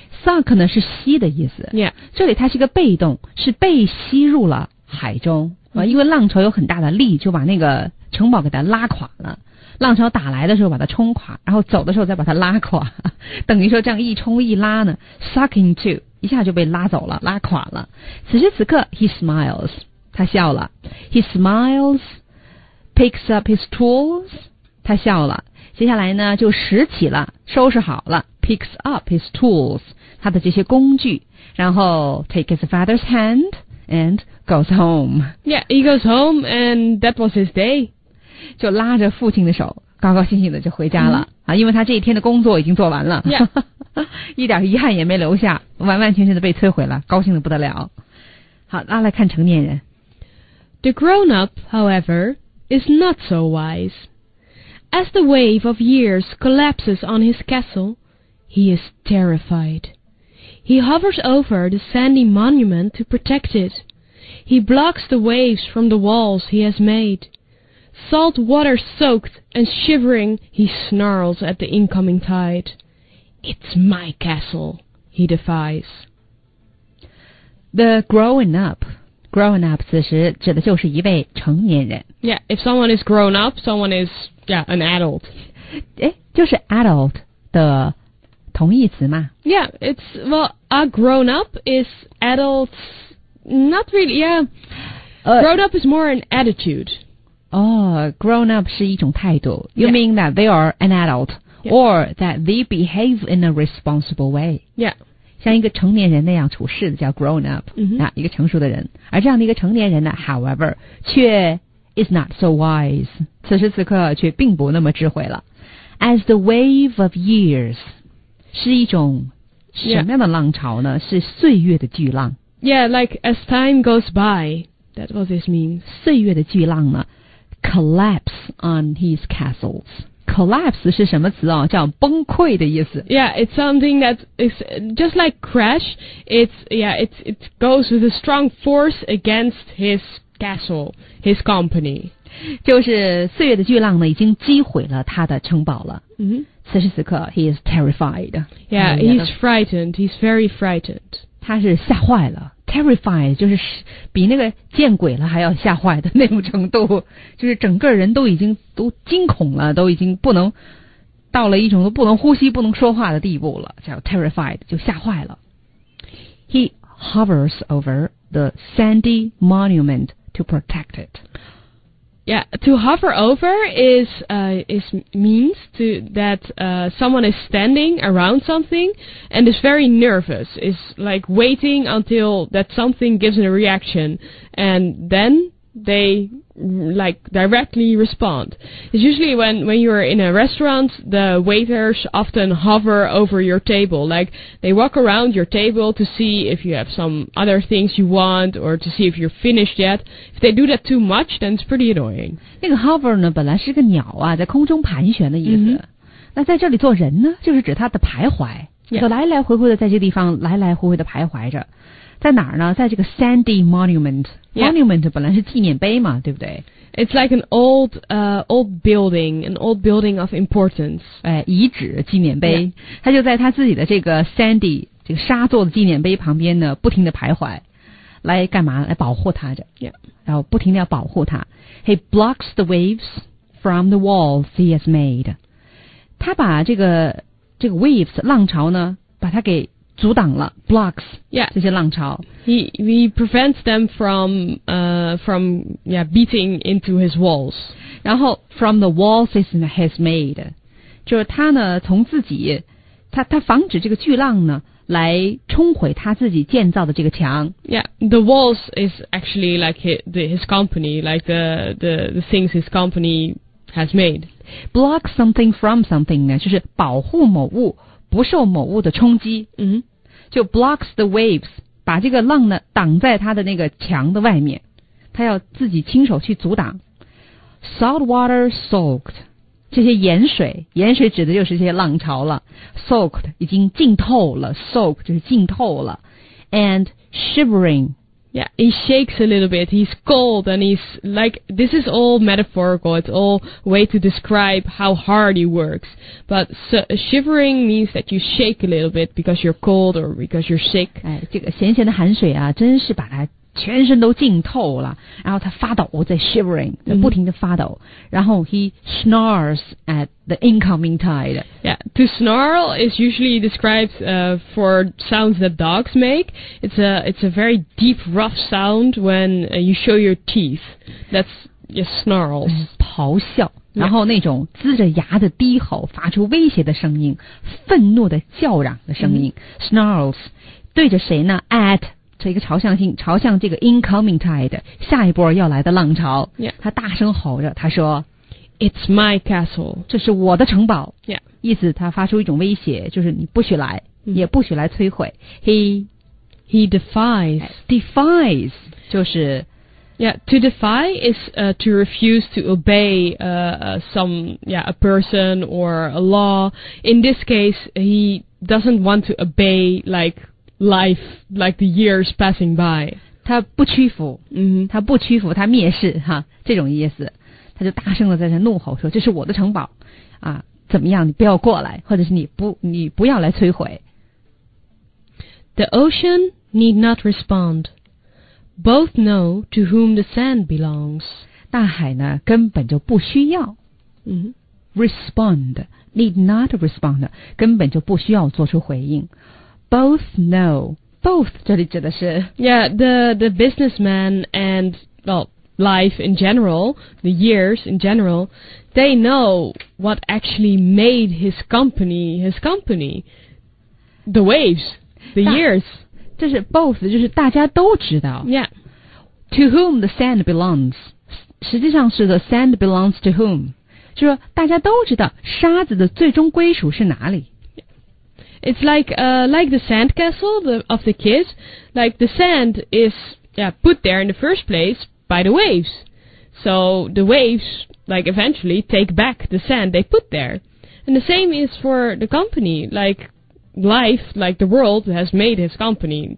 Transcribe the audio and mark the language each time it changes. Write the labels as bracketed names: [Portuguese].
[Chinese] Suck 呢是吸的意思。 [English] Yeah. [Chinese] 这里它是一个被动，是被吸入了海中、mm-hmm. 因为浪潮有很大的力，就把那个城堡给它拉垮了。浪潮打来的时候把它冲垮，然后走的时候再把它拉垮，等于说这样一冲一拉呢 ， [English] suck into [Chinese] 一下就被拉走了，拉垮了。此时此刻 [English] ，he smiles， [Chinese] 他笑了 [English] ，he smiles， picks up his tools， 他笑了。 [Chinese] 接下来呢就拾起了，收拾好了 ， [English] picks up his tools， [Chinese] 他的这些工具，然后 [English] take his father's hand and goes home。 Yeah， he goes home and that was his day. [Chinese] 就拉着父亲的手高高兴兴的就回家了、mm-hmm. 啊，因为他这一天的工作已经做完了、 [English] yeah. [Chinese] 一点遗憾也没留下，完完全全的被摧毁了，高兴的不得了。好，那来看成年人。 [English] The grown-up, however, is not so wise. As the wave of years collapses on his castle, he is terrified. He hovers over the sandy monument to protect it. He blocks the waves from the walls he has madeSalt water soaked and shivering, he snarls at the incoming tide. It's my castle, he defies. The growing up. [Chinese] Growing up 此时指的就是一位成年人。 [English] Yeah, if someone is grown up, someone is, yeah, an adult. [Chinese] 诶，就是 adult 的同义词嘛。 [English] Yeah, it's, well, a grown up is adults, not really, yeah. Grown up is more an attitude. [Chinese] Grown up 是一种态度。 [English] You mean that they are an adult,、 yeah. or that they behave in a responsible way. Yeah. [Chinese] 像一个成年人那样处事的叫 grown up,、 [English] mm-hmm. [Chinese] 啊、一个成熟的人。而这样的一个成年人呢 however, 却 [English] is not so wise. [Chinese] 此时此刻却并不那么智慧了。 [English] as the wave of years [Chinese] 是一种什么样的浪潮呢、是岁月的巨浪 [English] Yeah, like as time goes by That's what this means [Chinese] 岁月的巨浪呢 [English] Collapse on his castles [Chinese] Collapse 是什么词哦叫崩溃的意思 [English] Yeah, it's something that is just like crash It's, yeah, it's, it goes with a strong force against his castle, his company [Chinese] 就是岁月的巨浪呢已经击毁了他的城堡了 [English] Mm-hmm. [Chinese] 此时此刻 [English] he is terrified Yeah, he's frightened, he's very frightened [Chinese] 他是吓坏了 Terrified 就是比那个见鬼了还要吓坏的那种程度就是整个人都已经都惊恐了都已经不能到了一种都不能呼吸不能说话的地步了叫 terrified 就吓坏了 [English] He hovers over the sandy monument to protect it Yeah, to hover over is means to, that someone is standing around something and is very nervous, is like waiting until that something gives a reaction and then they like directly respond. It's usually when you are in a restaurant, the waiters often hover over your table, like they walk around your table to see if you have some other things you want or to see if you're finished yet. If they do that too much, then it's pretty annoying. [Chinese] 那个 hover 呢，本来是个鸟啊，在空中盘旋的意思。那在这里做人呢，就是指它的徘徊，就来来回回的在这个地方来来回回的徘徊着。在哪儿呢？在这个 Sandy Monument、 yeah. Monument 本来是纪念碑嘛，对不对 [English] ？It's like an old old building, an old building of importance. [Chinese] 哎，遗址纪念碑， yeah. 他就在他自己的这个 Sandy 这个沙做的纪念碑旁边呢，不停的徘徊，来干嘛？来保护他着。 [English] Yeah. [Chinese] 然后不停的要保护他。 [English] He blocks the waves from the walls he has made. [Chinese] 他把这个 waves 浪潮呢，把它给阻挡了 blocks、 [English] yeah. [Chinese] 这些浪潮 [English] he prevents them from from yeah beating into his walls [Chinese] 然后 [English] from the walls he's made [Chinese] 就是他呢从自己他防止这个巨浪呢来冲毁他自己建造的这个墙 [English] yeah the walls is actually like his company like the things his company has made block something from something [Chinese] 呢就是保护某物不受某物的冲击、 [English] mm-hmm. [Chinese] 就 [English] blocks the waves [Chinese] 把这个浪呢挡在他的那个墙的外面他要自己亲手去阻挡 [English] salt water soaked [Chinese] 这些盐水指的就是这些浪潮了 soaked 已经浸透了 soak 就是浸透了 [English] and shivering yeah he shakes a little bit he's cold and he's like this is all metaphorical it's all a way to describe how hard he works but so, shivering means that you shake a little bit because you're cold or because you're sick [Chinese] 哎，这个咸咸的寒水啊真是把他全身都浸透了然后他发抖在 shivering 在不停地发抖、mm-hmm. 然后 [English] he snarls at the incoming tide yeah to snarl is usually described for sounds that dogs make it's a very deep rough sound when you show your teeth that's your snarls [Chinese] 咆哮然后那种呲着牙的低吼发出威胁的声音愤怒的叫嚷的声音、mm-hmm. snarls 对着谁呢 at是一个朝向这个 [English] incoming tide [Chinese] 下一波要来的浪潮、 [English] yeah. [Chinese] 他大声吼着他说 [English] It's my castle [Chinese] 这是我的城堡、 [English] yeah. [Chinese] 意思他发出一种威胁就是你不许来、mm-hmm. 也不许来摧毁 He [English] defies [Chinese] 就是 [English] yeah, To defy is to refuse to obey some yeah, a person or a law In this case he doesn't want to obey likeLife, like the years passing by. [Chinese] 他不屈服、 [English] mm-hmm. [Chinese] 他不屈服他蔑视哈这种意思。他就大声地在这怒吼说这是我的城堡啊怎么样你不要过来或者是你不要来摧毁。 [English] The ocean need not respond. Both know to whom the sand belongs. [Chinese] 大海呢根本就不需要。 [English] Mm-hmm. Respond, need not respond, [Chinese] 根本就不需要做出回应。 [English] Both know. [Chinese] Both 这里指的是 [English] Yeah, the businessman and, well, life in general, the years in general, they know what actually made his company. The waves, the years. [Chinese] 这是 both, 就是大家都知道 [English] Yeah. To whom the sand belongs. [Chinese] 实际上是 [English] the sand belongs to whom. [Chinese] 就是大家都知道沙子的最终归属是哪里。 [English] It's like the sandcastle of the kids. Like the sand is put there in the first place by the waves. So the waves like eventually take back the sand they put there. And the same is for the company. Like life, like the world has made his company.